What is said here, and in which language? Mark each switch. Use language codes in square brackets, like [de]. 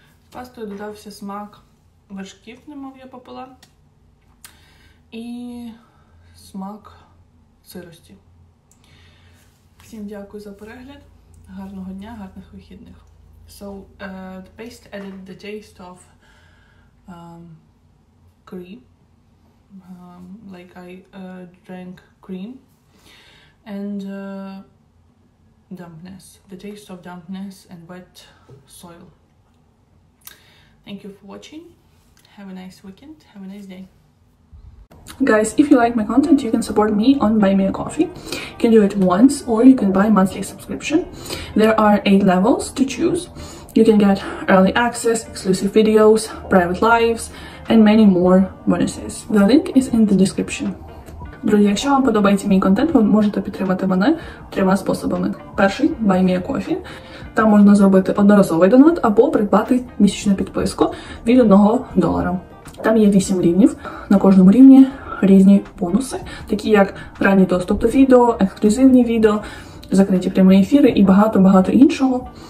[uk] Пастою додався смак вершків, немов я попила, і смак сирості. Всім дякую за перегляд. Гарного дня, гарних вихідних. [en] So, the paste added the taste of cream. Like I drank cream. And dampness. The taste of dampness and wet soil. Thank you for watching. Have a nice weekend. Have a nice day. Guys, if you like my content, you can support me on Buy Me a Coffee. You can do it once or you can buy a monthly subscription. There are 8 levels to choose. You can get early access, exclusive videos, private lives, and many more bonuses. The link is in the description. [uk] Друзі, якщо вам подобається мій контент, ви можете підтримати мене 3 способами. Перший – Buy Me a Coffee. Там можна зробити одноразовий донат або придбати місячну підписку від 1 долара. Там є 8 рівнів. На кожному рівні різні бонуси, такі як ранній доступ до відео, ексклюзивні відео, закриті прямі ефіри і багато-багато іншого.